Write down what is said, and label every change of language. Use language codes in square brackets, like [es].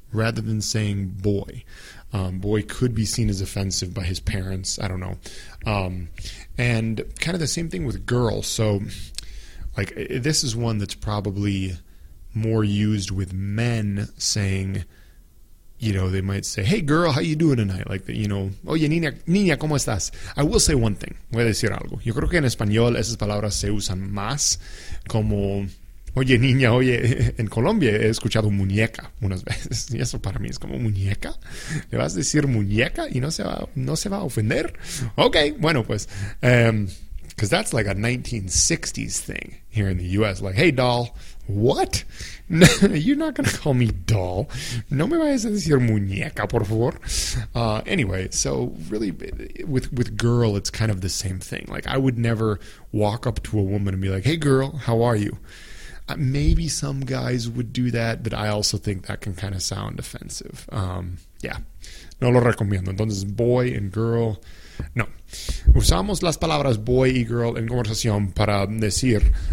[en] Rather than saying boy. Boy could be seen as offensive by his parents, I don't know. And kind of the same thing with girl. So like this is one that's probably more used with men saying, you know, they might say, hey girl, how you doing tonight? Like, the, you know, [es] oye niña, ¿cómo estás? [en] I will say one thing, [es] voy a decir algo. Yo creo que en español esas palabras se usan más como, oye niña, oye, en Colombia he escuchado muñeca unas veces. Y eso para mí es como, ¿muñeca? ¿Le vas a decir muñeca y no se va a ofender? Ok, bueno pues, [en] because that's like a 1960s thing here in the U.S. Like, hey doll. What? You're not going to call me doll. [es] No me vayas a decir muñeca, por favor. [en] Anyway, so really with girl, it's kind of the same thing. Like I would never walk up to a woman and be like, hey girl, how are you? Maybe some guys would do that, but I also think that can kind of sound offensive. [es] Yeah. No lo recomiendo. Entonces, boy and girl. No. Usamos las palabras boy y girl en conversación para decir...